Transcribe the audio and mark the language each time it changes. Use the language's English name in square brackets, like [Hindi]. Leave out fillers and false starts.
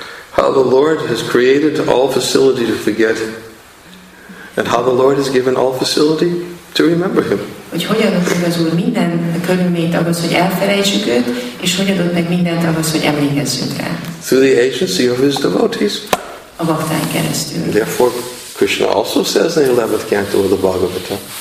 [English] How the Lord has created all facility to forget, and how the Lord has given all facility to remember Him. [Hungarian] Hogy hogyan adott meg az Úr minden körülményt ahhoz, hogy elfelejtsük őt, és hogy adott meg mindent ahhoz, hogy emlékezzünk rá. [English] Through the agency of His devotees. [Hungarian] A baktáink keresztül. [English] And therefore, Krishna also says in the 11th canto of the Bhagavata.